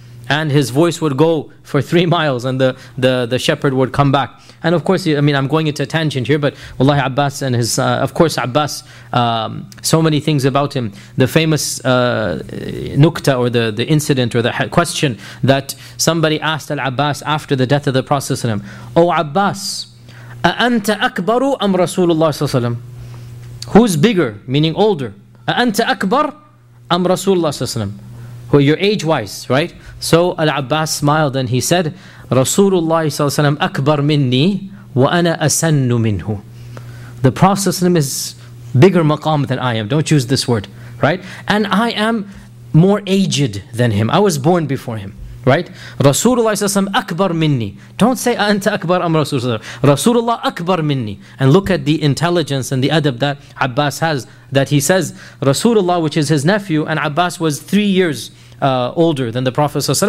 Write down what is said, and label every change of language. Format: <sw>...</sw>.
<en>And his voice would go for 3 miles, and the shepherd would come back. And of course, I mean, I'm going into a tangent here, but wallahi Abbas and his, so many things about him. The famous nukta, or the incident, or the question that somebody asked Al-Abbas after the death of the Prophet ﷺ. "O Abbas,</en> <ar>أَأَنْتَ أَكْبَرُ أَمْ رَسُولُ اللَّهِ صَلَّى اللَّهُ عَلَيْهِ وَسَلَّمَ?"</ar> <en>Who's bigger, meaning older?</en> <ar>أَأَنْتَ أَكْبَرْ أَمْ رَسُولُ اللَّهِ صَلَّى اللَّهُ عَلَيْهِ وَسَلَّمَ?</ar> <en>Who, you're age-wise, right? So Al-Abbas smiled and he said,</en> <ar>رَسُولُ اللَّهِ صَلَّى اللَّهُ عَلَيْهِ وَسَلَّمَ أَكْبَرْ مِنِّي وَأَنَا أَسَنُّ مِنْهُ.</ar> <en>The Prophet is bigger maqam than I am. Don't use this word, right? And I am more aged than him. I was born before him. Right? Rasulullah says,</en> <ar>"Akbar minni."</ar> <en>Don't say,</en> <ar>"Anta akbar am Rasulullah." Rasulullah akbar minni.</ar> <en>And look at the intelligence and the adab that Abbas has, that he says, Rasulullah, which is his nephew, and Abbas was 3 years older than the Prophet.</en>